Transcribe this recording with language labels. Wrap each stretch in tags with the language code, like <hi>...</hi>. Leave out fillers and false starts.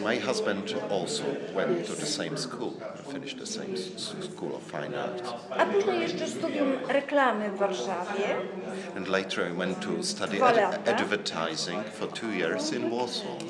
<en>My husband also went to the same school, finished the same School of Fine Arts.</en> <pl>A później jeszcze studium reklamy w Warszawie.</pl> <en>And later I went to study advertising for 2 years in Warsaw.</en>